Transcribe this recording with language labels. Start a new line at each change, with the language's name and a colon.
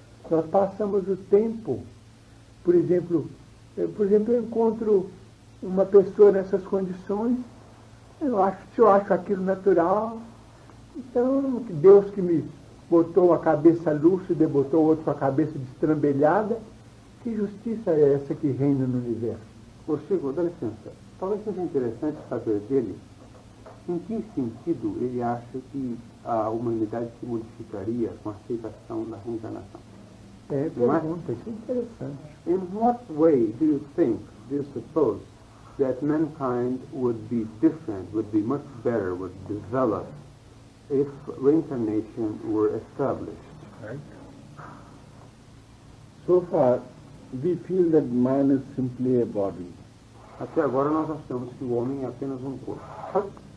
Portuguese: Nós passamos o tempo, por exemplo, eu encontro uma pessoa nessas condições, se eu acho aquilo natural, então Deus que me botou a cabeça lúcida, botou outro com a cabeça destrambelhada. Que justiça é essa que reina no universo? Ô Chico, dá licença. Talvez seja interessante saber dele em que sentido ele acha que a humanidade se modificaria com a aceitação da reencarnação. É, pergunta, isso é interessante.
English: In what way do you suppose, that mankind would be different, would be much better, would develop, if reincarnation were established? Right. So far, we feel that man is simply a body.
Portuguese: Até agora nós achamos que o homem é apenas corpo.